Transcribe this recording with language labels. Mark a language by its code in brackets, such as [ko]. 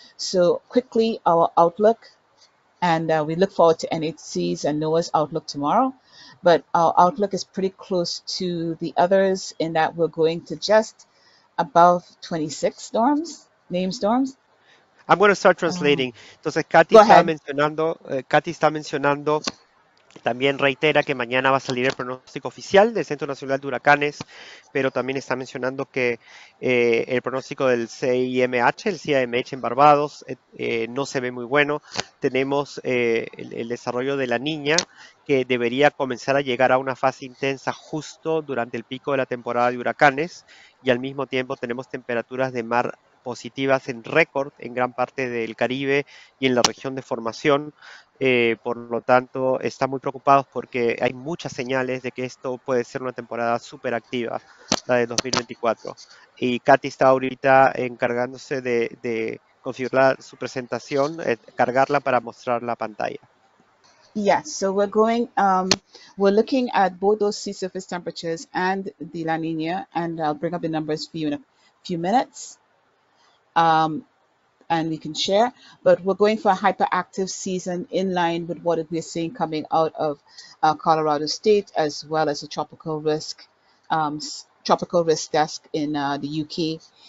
[en] So quickly, our outlook, and we look forward to NHC's and NOAA's outlook tomorrow, but our outlook is pretty close to the others in that we're going to just above 26 storms, named storms. I'm going to start translating. [es] Entonces, Katy está mencionando, también reitera que mañana va a salir el pronóstico oficial del Centro Nacional de Huracanes, pero también está mencionando que el pronóstico del CIMH, el CIMH en Barbados, no se ve muy bueno. Tenemos el desarrollo de la Niña, que debería comenzar a llegar a una fase intensa justo durante el pico de la temporada de huracanes, y al mismo tiempo tenemos temperaturas de mar positivas en récord en gran parte del Caribe y en la región de formación. Por lo tanto, están muy preocupados porque hay muchas señales de que esto puede ser una temporada súper activa, la de 2024. Y Katy está ahorita encargándose de configurar su presentación, cargarla para mostrar la pantalla. [en] Yes, so we're going, we're looking at both those sea surface temperatures and the La Niña, and I'll bring up the numbers for you in a few minutes. And we can share, but we're going for a hyperactive season in line with what we're seeing coming out of Colorado State, as well as a tropical risk desk in the UK.